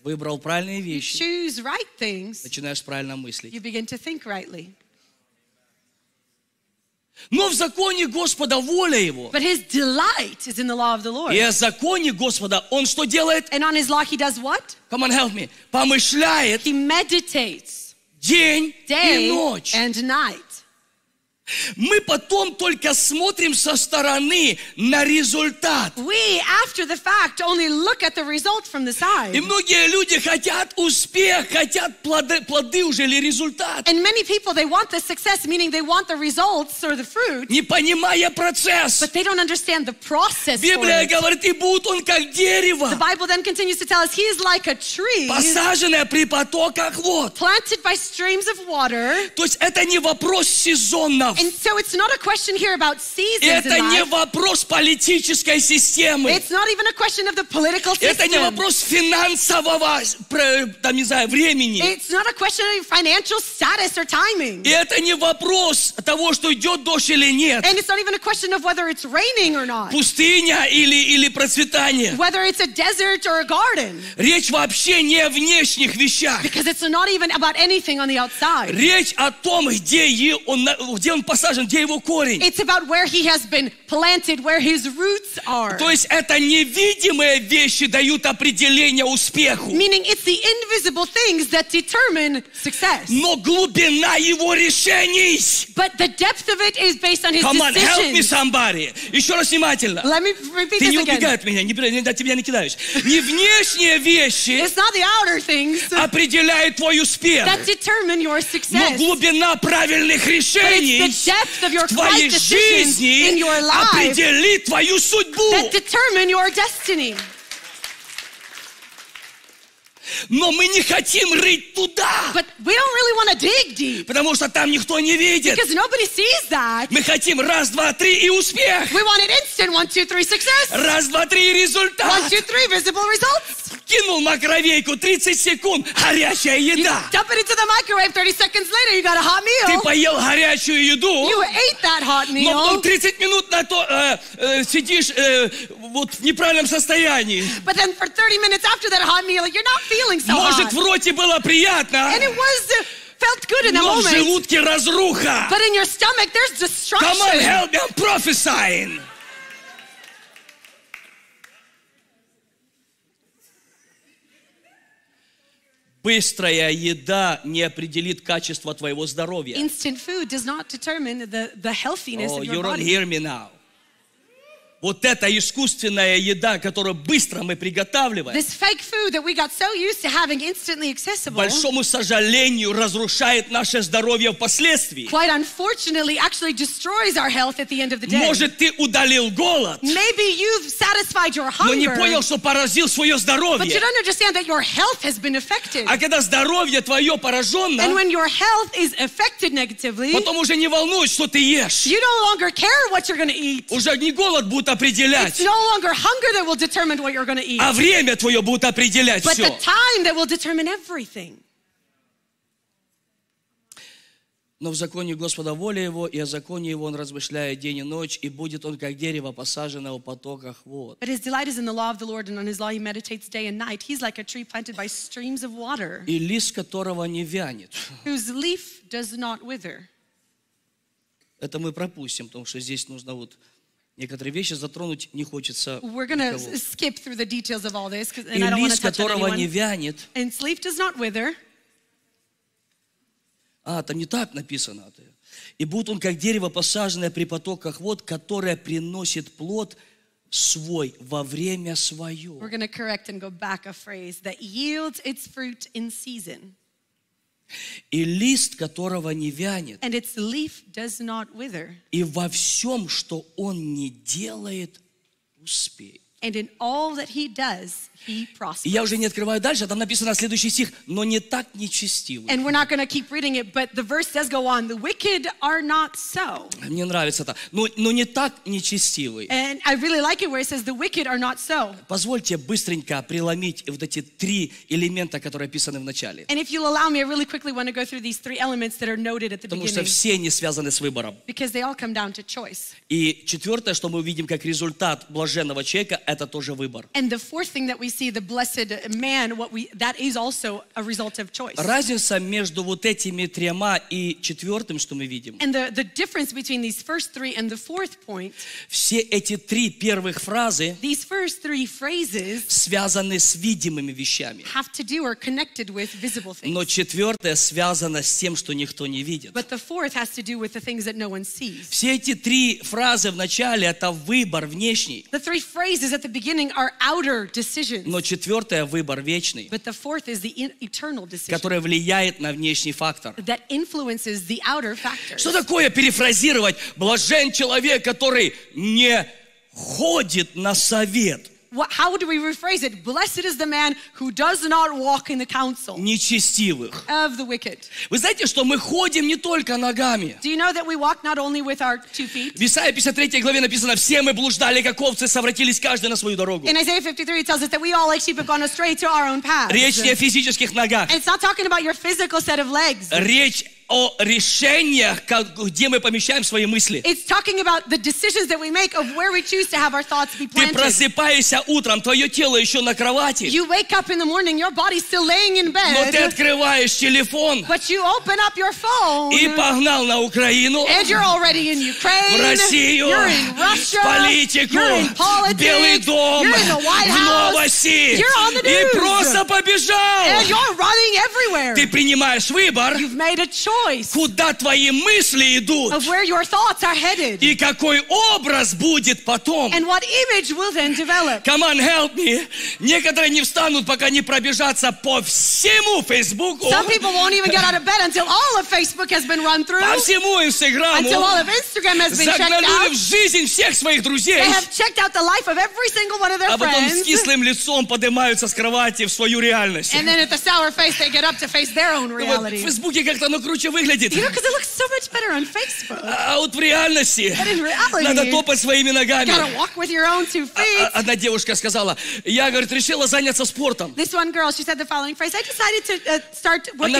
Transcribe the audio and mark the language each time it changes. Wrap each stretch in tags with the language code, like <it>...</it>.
<ru>Выбрал правильные вещи.</ru> <en>You choose right things.</en> <ru>Начинаешь правильно мыслить.</ru> <en>You begin to think rightly.</en> <ru>Но в законе Господа воля его.</ru> <en>But his delight is in the law of the Lord.</en> <ru>И о законе Господа он что делает?</ru> <en>And on his law he does what? Come on, help me.</en> <ru>Помышляет.</ru> <en>He meditates.</en> <ru>День</ru> <en>day</en> <ru>и ночь.</ru> <en>And night.</en> <ru>Мы потом только смотрим со стороны на результат.</ru> <en>We, after the fact, only look at the result from the side.</en> <ru>И многие люди хотят успех, хотят плоды уже или результат.</ru> <en>And many people, they want the success, meaning they want the results or the fruit.</en> <ru>Не понимая процесс.</ru> <en>But they don't understand the process.</en> <ru>Библия говорит, и будет он как дерево.</ru> <en>The Bible then continues to tell us, he is like a tree.</en> <ru>Посаженное при потоках вод.</ru> <en>Planted by streams of water.</en> <ru>То есть это не вопрос сезона.</ru> <en>And so it's not a question here about seasons.</en> <ru>Это не вопрос политической системы.</ru> <en>It's not even a question of the political system.</en> <ru>Это не вопрос финансового, там, не знаю, времени.</ru> <en>It's not a question of financial status or timing.</en> <ru>И это не вопрос того, что идет дождь или нет.</ru> <en>And it's not even a question of whether it's raining or not.</en> <ru>Пустыня или процветание.</ru> <en>Whether it's a desert or a garden.</en> <ru>Речь вообще не о внешних вещах.</ru> <en>Because it's not even about anything on the outside.</en> <ru>Речь о том, где он посажен, где его корень.</ru> <en>It's about where he has been planted, where his roots are.</en> <ru>То есть это невидимые вещи дают определение успеху.</ru> <en>Meaning it's the invisible things that determine success.</en> <ru>Но глубина его решений.</ru> <en>But the depth of it is based on his Come on, decisions. Help me somebody.</en> <ru>Еще раз внимательно.</ru> <en>Let me repeat</en> <ru>Ты</ru> <en>this</en> <ru>не убегай</ru> <en>again.</en> <ru>От меня, не бери, я тебя не кидаюсь. Не внешние вещи</ru> <en>It's not the outer things</en> <ru>определяют твой успех.</ru> <en>That determine your success.</en> <ru>Но глубина правильных решений</ru> <en>But it's the depth of your</en> <ru>твоей</ru> <en>right</en> <ru>жизни</ru> <en>in your life</en> <ru>определит твою судьбу.</ru> <en>That determine your destiny.</en> <ru>Но мы не хотим рыть туда.</ru> <en>But we don't really want to dig deep.</en> <ru>Потому что там никто не видит.</ru> <en>Because nobody sees that.</en> <ru>Мы хотим раз, два, три и успех.</ru> <en>We want an instant one, two, three success.</en> <ru>Раз, два, три и результат.</ru> <en>One, two, three visible results.</en> <ru>Кинул макровейку, 30 секунд, горячая еда.</ru> <en>You dump it into the microwave, 30 seconds later, you got a hot meal.</en> <ru>Ты поел горячую еду.</ru> <en>You ate that hot meal.</en> <ru>Но 30 минут на то сидишь вот в неправильном состоянии.</ru> <en>But then for 30 minutes after that hot meal, you're not feeling so</en> <ru>Может,</ru> <en>hot.</en> <ru>Может, в роте было приятно.</ru> <en>And it was felt good in</en> <ru>Но</ru> <en>the moment.</en> <ru>Но в желудке разруха.</ru> <en>But in your stomach, there's destruction. Come on, help me, I'm prophesying.</en> <ru>Быстрая еда не определит качество твоего здоровья.</ru> <en>Instant food does not determine the healthiness oh, of your body. Oh, you don't hear me now.</en> <ru>Вот эта искусственная еда, которую быстро мы приготавливаем,</ru> <en>This fake food that we got so used to having instantly accessible,</en> <ru>большому сожалению, разрушает наше здоровье впоследствии.</ru> <en>Quite unfortunately, actually destroys our health at the end of the day.</en> <ru>Может, ты удалил голод,</ru> <en>Maybe you've satisfied your hunger,</en> <ru>но не понял, что поразил свое здоровье.</ru> <en>But you don't understand that your health has been affected.</en> <ru>А когда здоровье твое пораженное,</ru> <en>And when your health is affected negatively,</en> <ru>потом уже не волнуешь, что ты ешь.</ru> <en>You no longer care what you're gonna eat.</en> <ru>Уже не голод будет.</ru> <en>It's no longer hunger that will determine what you're going to eat.</en> <ru>А время твое будет определять</ru> <en>But</en> <ru>все.</ru> <en>The time that will determine everything.</en> <ru>Но в законе Господа воля его, и о законе его он размышляет день и ночь, и будет он как дерево, посаженное у потоках вод.</ru> <en>But his delight is in the law of the Lord, and on his law he meditates day and night. He's like a tree planted by streams of water.</en> <ru>И лист которого не вянет.</ru> <en>Whose leaf does not wither.</en> <ru>Это мы пропустим, потому что здесь нужно вот Некоторые вещи затронуть не хочется.</ru> <en>We're gonna skip through the details of all this, and I don't want to touch anyone.</en> <ru>И лист, которого не вянет.</ru> <en>And leaf does not wither.</en> <ru>А, там не так написано. И будет он как дерево, посаженное при потоках вод, которое приносит плод свой во время свое.</ru> <en>We're gonna correct and go back a phrase that yields its fruit in season.</en> <ru>И лист, которого не вянет,</ru> <en>And its leaf does not wither.</en> <ru>И во всем, что он не делает, успеет.</ru> <en>And in all that he does, he prospers.</en> <ru>И я уже не открываю дальше, там написано следующий стих, но не так нечестивый.</ru> <en>And we're not going to keep reading it, but the verse does go on. The wicked are not so.</en> <ru>Мне нравится это. Но не так нечестивый.</ru> <en>And I really like it where it says the wicked are not so.</en> <ru>Позвольте быстренько преломить вот эти три элемента, которые описаны в начале.</ru> <en>And if you'll allow me, I really quickly want to go through these three elements that are noted at the</en> <ru>Потому</ru> <en>beginning.</en> <ru>Потому что все они связаны с выбором.</ru> <en>Because they all come down to choice.</en> <ru>И четвертое, что мы увидим как результат блаженного человека, это тоже выбор.</ru> <en>And the fourth thing that we see, the blessed man, that is also a result of choice.</en> <ru>Разница между вот этими тремя и четвертым, что мы видим.</ru> <en>And the difference between these first three and the fourth point.</en> <ru>Все эти три первых фразы.</ru> <en>These first three phrases.</en> <ru>Связаны с видимыми вещами.</ru> <en>Have to do or connected with visible things.</en> <ru>Но четвертое связано с тем, что никто не видит.</ru> <en>But the fourth has to do with the things that no one sees.</en> <ru>Все эти три фразы в начале это выбор внешний.</ru> <en>The three phrases at the beginning are outer decisions.</en> <ru>Но четвертое – выбор вечный.</ru> <en>But the fourth is the eternal decision.</en> <ru>Которое влияет на внешний фактор.</ru> <en>That influences the outer factors.</en> <ru>Что такое перефразировать? Блажен человек, который не ходит на совет.</ru> <en>How do we rephrase it? Blessed is the man who does not walk in the counsel</en> <ru>нечестивых.</ru> <en>Of the wicked.</en> <ru>Вы знаете, что мы ходим не только ногами.</ru> <en>Do you know that we walk not only with our two feet?</en> <ru>В Исаии 53 главе написано, все мы блуждали, как овцы, совратились каждый на свою дорогу.</ru> <en>In Isaiah 53 it tells us that we all like sheep have gone astray to our own paths.</en> <ru>Речь не о физических ногах.</ru> <en>And it's not talking about your physical set of legs.</en> <ru>Речь о решениях, как, где мы помещаем свои мысли.</ru> <en>It's talking about the decisions that we make of where we choose to have our thoughts be planted.</en> <ru>Ты просыпаешься утром, твое тело еще на кровати.</ru> <en>You wake up in the morning, your body's still laying in bed.</en> <ru>Но ты открываешь телефон.</ru> <en>But you open up your phone.</en> <ru>И погнал на Украину.</ru> <en>And you're already in Ukraine.</en> <ru>В Россию.</ru> <en>You're in Russia.</en> <ru>В политику.</ru> <en>You're in politics.</en> <ru>Белый дом.</ru> <en>You're in the White House.</en> <ru>В новости.</ru> <en>You're on the news.</en> <ru>И просто побежал.</ru> <en>And you're running everywhere.</en> <ru>Ты принимаешь выбор.</ru> <en>You've made a choice.</en> <ru>Куда твои мысли идут?</ru> <en>Of where your thoughts are headed.</en> <ru>И какой образ будет потом?</ru> <en>And what image will then develop? Come on, help me.</en> <ru>Некоторые не встанут, пока не пробежатся по всему Фейсбуку.</ru> <en>Some people won't even get out of bed until all of Facebook has been run through.</en> <ru>По всему Инстаграму.</ru> <en>Until all of Instagram has been checked out.</en> <ru>Загнали в жизнь всех своих друзей.</ru> <en>They have checked out the life of every single one of their friends.</en> <ru>А потом с кислым лицом поднимаются с кровати в свою реальность.</ru> <en>And then at the sour face they get up to face their own reality.</en> <ru>В Фейсбуке как-то на круче выглядит.</ru> <en>You know, because it looks so much better on Facebook.</en> <ru>А вот в реальности</ru> <en>reality,</en> <ru>надо топать своими ногами.</ru> <en>You gotta walk with your own two feet.</en> <ru>Одна девушка сказала, я, говорит, решила заняться спортом.</ru> <en>This one girl, she said the following phrase, I decided to start working out.</en>